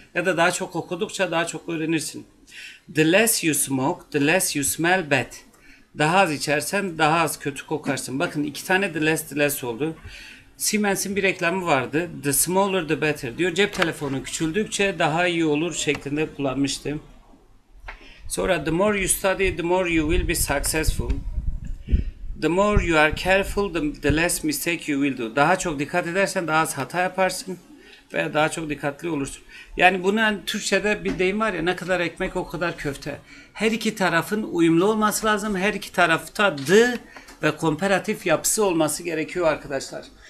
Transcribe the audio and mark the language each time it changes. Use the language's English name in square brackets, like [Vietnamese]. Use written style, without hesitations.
[Turkish] Ya da daha çok okudukça daha çok öğrenirsin. [English] The less you smoke, the less you smell bad. [Turkish] Daha az içersen daha az kötü kokarsın. Bakın iki tane [English] the less [Turkish] oldu. Siemens'in bir reklamı vardı. [English] The smaller the better [Turkish] diyor. Cep telefonu küçüldükçe daha iyi olur şeklinde kullanmıştım. [English] Sonra the more you study, the more you will be successful. The more you are careful, the less mistake you will do. [Turkish] Daha çok dikkat edersen daha az hata yaparsın veya daha çok dikkatli olursun. Yani bunun hani Türkçe'de bir deyim var ya, ne kadar ekmek o kadar köfte. Her iki tarafın uyumlu olması lazım. Her iki tarafta the ve komparatif yapısı olması gerekiyor arkadaşlar.